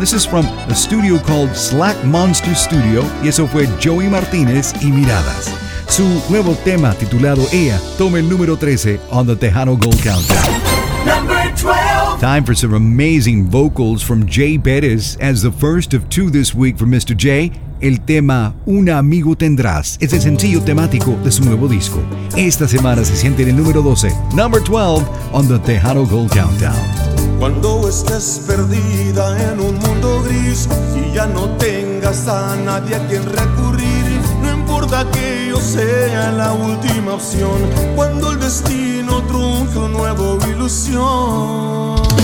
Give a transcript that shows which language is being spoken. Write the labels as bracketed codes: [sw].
[en] This is from a studio called Slack Monster Studio, [es] y eso fue Joey Martinez y Miradas. Su nuevo tema titulado Ella toma el número 13 [en] on the Tejano Gold Countdown. Number 12. Time for some amazing vocals from Jay Perez as the first of two this week from Mr. Jay. [es] El tema Un Amigo Tendrás es el sencillo temático de su nuevo disco. Esta semana se siente en el número 12, [en] number 12 on the Tejano Gold Countdown. [es] Cuando estés perdida en un mundo gris y ya no tengas a nadie a quien recurrir, no importa que yo sea la última opción, cuando el destino trunque una nueva ilusión.